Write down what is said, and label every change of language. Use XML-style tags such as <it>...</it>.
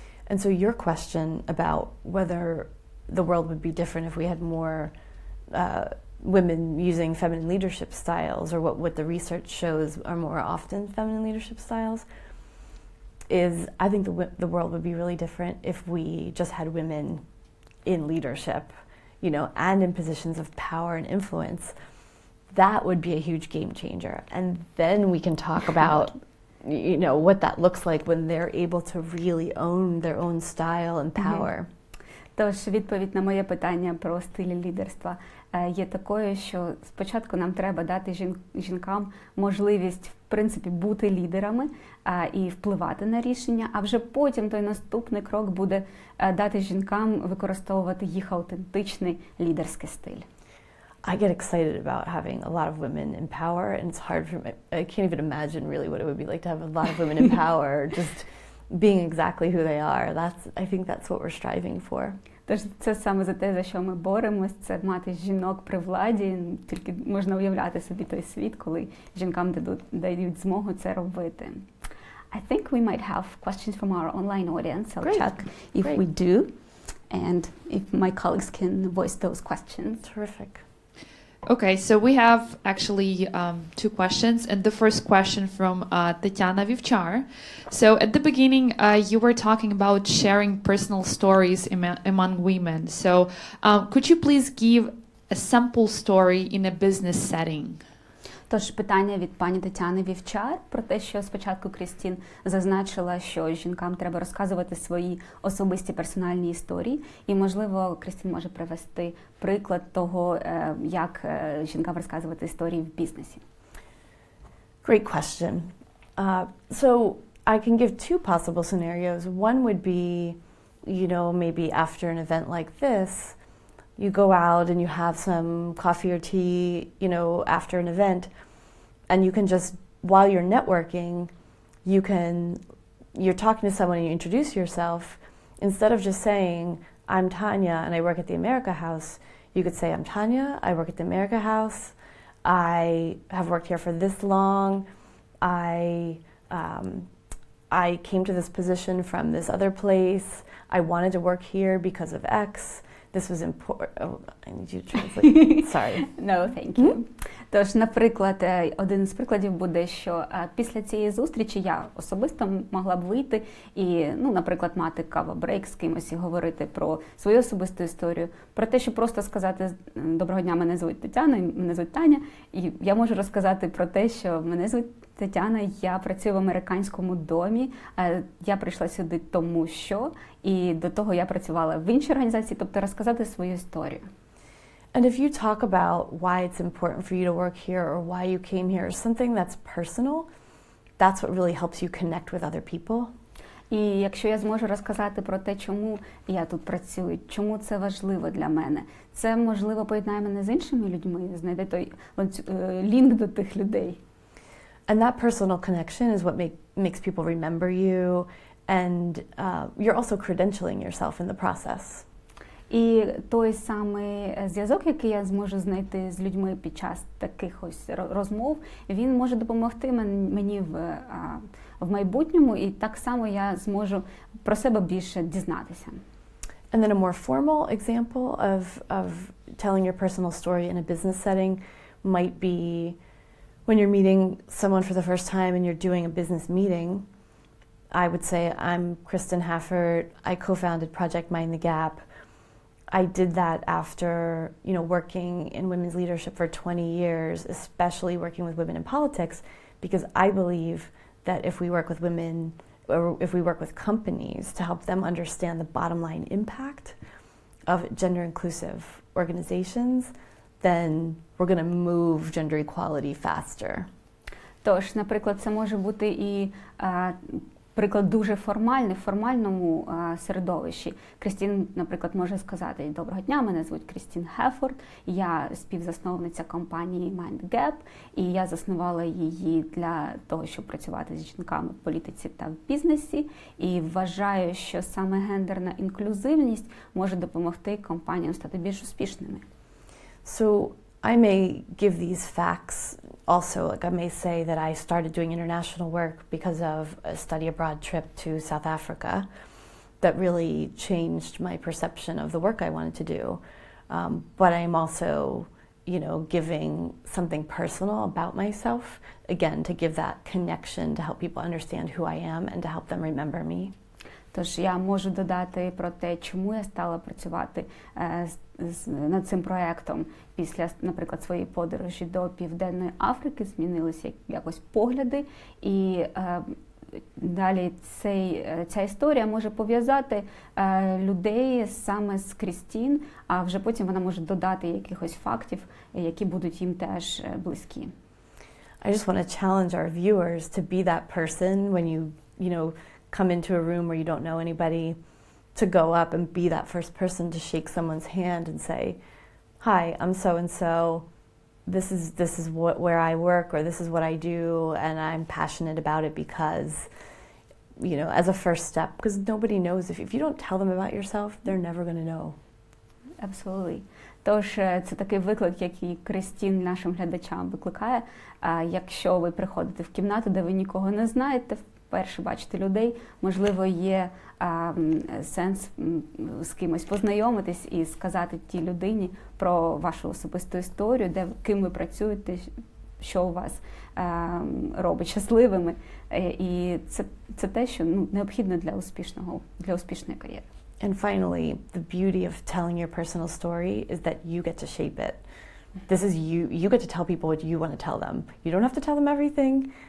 <en>And so your question about whether the world would be different if we had more women using feminine leadership styles, or what the research shows are more often feminine leadership styles, is I think the world would be really different if we just had women in leadership, and in positions of power and influence. That would be a huge game changer. And then we can talk about, what that looks like when they're able to really own their own style and power.</en> <uk>Тож, відповідь на моє питання про стиль лідерства є такою, що спочатку нам треба дати жінкам можливість, в принципі, бути лідерами і впливати на рішення, а вже потім той наступний крок буде дати жінкам використовувати їх аутентичний лідерський стиль.</uk> <en>I get excited about having a lot of women in power, and it's hard for me. I can't even imagine really what it would be like to have a lot of women in power, just being exactly who they are. I think that's what we're striving for.</en> <uk>Тож це саме за те, за що ми боремось, це мати жінок при владі. Тільки можна уявляти собі той світ, коли жінкам дають змогу це робити.</uk> <en>I think we might have questions from our online audience. I'll Great. Check if Great. We do, and if my colleagues can voice those questions. Terrific. Okay, so we have actually two questions, and the first question from Tatiana Vivchar. So at the beginning, you were talking about sharing personal stories among women. So could you please give a sample story in a business setting?</en> <uk>Тож питання від пані Тетяни Вівчар про те, що спочатку Крістін зазначила, що жінкам треба розказувати свої особисті персональні історії. І, можливо, Крістін може привести приклад того, як жінкам розказувати історії в бізнесі.</uk> <en>Great question. So I can give two possible scenarios. One would be, you know, maybe after an event like this, you go out and you have some coffee or tea, you know, after an event, and you can just, while you're networking, you're talking to someone and you introduce yourself. Instead of just saying, I'm Tanya and I work at the America House, you could say, I'm Tanya, I work at the America House, I have worked here for this long, I came to this position from this other place, I wanted to work here because of X. This was important. Oh, I need you to translate. Sorry. No, thank you.</en> <uk>Тож, наприклад, один з прикладів буде, що після цієї зустрічі я особисто могла б вийти і, ну, наприклад, мати кава-брейк з кимось і говорити про свою особисту історію, про те, що просто сказати «Доброго дня, мене звуть Тетяна, мене звуть Таня», і я можу розказати про те, що мене звуть Тетяна, я працюю в американському домі, я прийшла сюди тому що, і до того я працювала в іншій організації, тобто розказати свою історію.</uk> <en>And if you talk about why it's important for you to work here or why you came here, something that's personal, that's what really helps you connect with other people.</en> <uk>І якщо я зможу розказати про те, чому я тут працюю, чому це важливо для мене, це, можливо, поєднає мене з іншими людьми, знайде той лінк до тих людей.</uk> <en>And that personal connection is what makes people remember you, and you're also credentialing yourself in the process.</en> <uk>І той самий зв'язок, який я зможу знайти з людьми під час таких ось розмов, він може допомогти мені в майбутньому, і так само я зможу про себе більше дізнатися.</uk> <en>And then a more formal example of telling your personal story in a business setting might be when you're meeting someone for the first time and you're doing a business meeting, I would say, I'm Kristin Haffert. I co-founded Project Mind the Gap. I did that after, you know, working in women's leadership for 20 years, especially working with women in politics, because I believe that if we work with women, or if we work with companies to help them understand the bottom line impact of gender inclusive organizations, then we're going to move gender equality faster.</en> <uk>Тож, наприклад, це може бути і приклад дуже формальний, в формальному середовищі. Крістін, наприклад, може сказати: "Доброго дня, мене звуть Крістін Хеффорд. Я співзасновниця компанії Mind Gap, і я заснувала її для того, щоб працювати з жінками в політиці та в бізнесі, і вважаю, що саме гендерна інклюзивність може допомогти компаніям стати більш успішними."</uk> <en>So I may give these facts also, like I may say that I started doing international work because of a study abroad trip to South Africa that really changed my perception of the work I wanted to do. But I'm also, you know, giving something personal about myself, again, to give that connection to help people understand who I am and to help them remember me.</en> <uk>Тож я можу додати про те, чому я стала працювати над цим проєктом після, наприклад, своєї подорожі до Південної Африки, змінилися якось погляди, і далі ця історія може пов'язати людей саме з Крістін, а вже потім вона може додати якихось фактів, які будуть їм теж близькі.</uk> <en>I just want to challenge our viewers to be that person when you come into a room where you don't know anybody, to go up and be that first person to shake someone's hand and say, hi, I'm so-and-so, this is where I work, or this is what I do, and I'm passionate about it because, you know, as a first step, because nobody knows. If you don't tell them about yourself, they're never going to know. Absolutely.</en> <uk>Тож це такий виклик, який Кристін нашим глядачам викликає. Якщо ви приходите в кімнату, де ви нікого не знаєте, вперше бачите людей, можливо, є сенс з кимось познайомитись і сказати тій людині про вашу особисту історію, де ким ви працюєте, що у вас робить щасливими. І це те, що необхідно для успішної кар'єри.</uk> <en>And finally, the beauty of telling your personal story is that you get to shape it. This is you. You get to tell people what you want to tell them. You don't have to tell them everything.</en>